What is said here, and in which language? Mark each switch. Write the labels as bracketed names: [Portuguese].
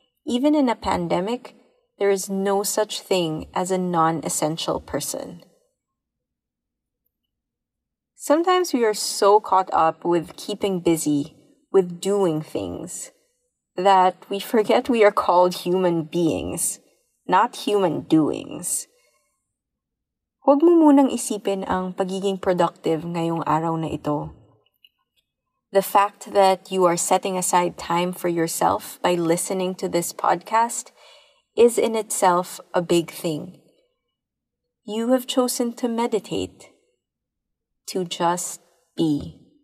[English] Even in a pandemic, there is no such thing as a non-essential person. Sometimes we are so caught up with keeping busy, with doing things, that we forget we are called human beings, not human doings. [Filipino] Huwag mo munang isipin ang pagiging productive ngayong araw na ito. [English] The fact that you are setting aside time for yourself by listening to this podcast is in itself a big thing. You have chosen to meditate, to just be.